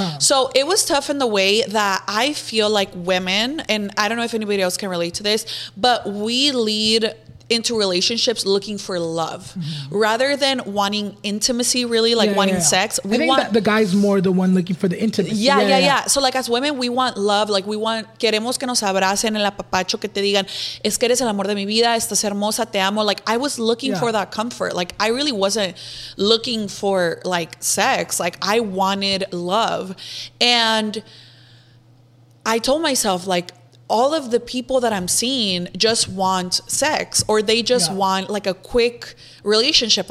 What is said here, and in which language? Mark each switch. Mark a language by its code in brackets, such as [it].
[en] So it was tough in the way that I feel like women, and I don't know if anybody else can relate to this, but we lead into relationships looking for love rather than wanting intimacy, really, like sex. We want that the guy's more the one looking for the intimacy. So like, as women, we want love. Like, we want, [es] queremos que nos abracen, el apapacho, que te digan, es que eres el amor de mi vida, estás hermosa, te amo. [en] Like, I was looking for that comfort. Like, I really wasn't looking for like sex. Like, I wanted love. And I told myself, like, all of the people that I'm seeing just want sex, or they just want like a quick relationship.